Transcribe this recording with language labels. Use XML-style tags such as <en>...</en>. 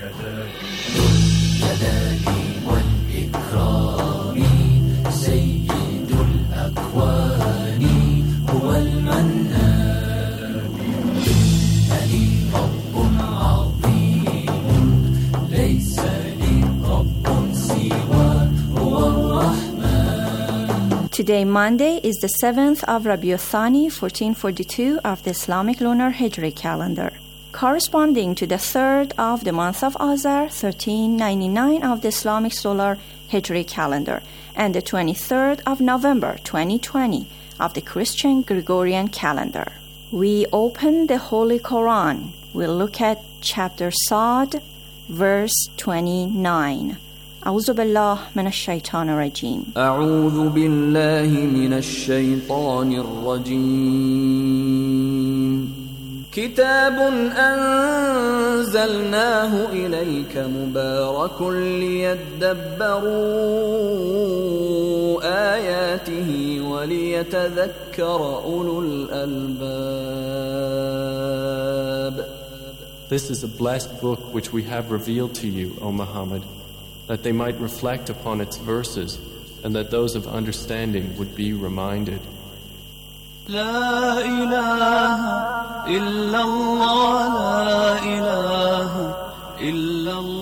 <ar>كذلك والإكرام سيد الأكوان هو المنان رب عظيم ليس لي رب سوى هو الرحمن.</ar> <en>Today Monday is the 7th of Rabiul Thani 1442 of the Islamic Lunar Hijri calendar. Corresponding to the 3rd of the month of Azar, 1399 of the Islamic Solar Hijri calendar, and the 23rd of November, 2020 of the Christian Gregorian calendar. We open the Holy Quran. We look at chapter Sa'd, verse 29.</en> <ar>A'udhu billahi minash shaitanir rajim. A'udhu billahi minash shaitanir rajim. كتاب أنزلناه إليك مبارك ليتدبروا آياته وليتذكر أولو الألباب.</ar> <en>This is a blessed book which we have revealed to you, O Muhammad, that they might reflect upon its verses and that those of understanding would be reminded.</en> <ar>لا إله إلا الله لا إله إلا الله.</ar>